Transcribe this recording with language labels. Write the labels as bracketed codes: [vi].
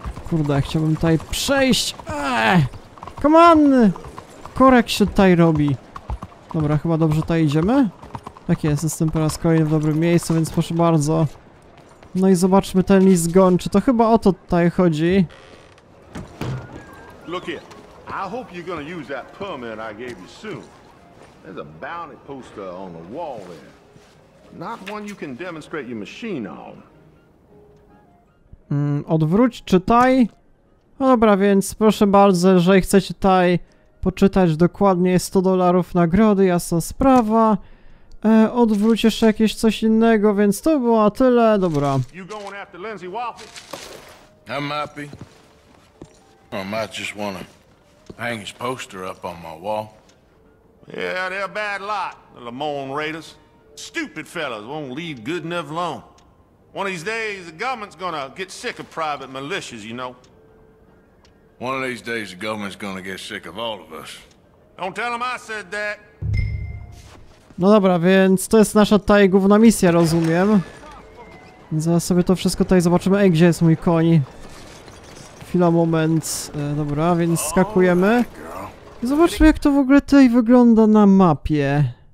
[pl] Kurde, chciałbym tutaj przejść. [en] Come on! [pl] Korek się tutaj robi. Dobra, chyba dobrze tutaj idziemy. Tak jest, jestem po raz kolejny w dobrym miejscu, więc proszę bardzo. No i zobaczmy ten list gończy. To chyba o to tutaj chodzi. [en] Look here. I hope you're gonna use that permit I gave you soon. There's a bounty poster on the wall there. Not one you can demonstrate your machine on. [pl] Odwróć, czytaj. No dobra, więc proszę bardzo, jeżeli chcecie tutaj poczytać dokładnie $100 nagrody, jasna sprawa. Odwróć jeszcze jakieś coś innego, więc to było tyle, dobra. [en] You going after Lindsay Waffle? I might be. I might just wanna hang his poster up on my wall. Yeah, they're a bad lot, the Lamone Raiders. Stupid fellas, won't leave good enough alone. One of these days, the government's gonna get sick of private militias, you know. One of these days, the government's gonna get sick of all of us. Don't tell them I said that. [pl] No dobra, więc to jest nasza tutaj główna misja, rozumiem. Więc zaraz sobie to wszystko tutaj zobaczymy. Ej, gdzie jest mój koń? Chwila, moment. Dobra, więc skakujemy. I zobaczmy, jak to w ogóle tutaj wygląda na mapie.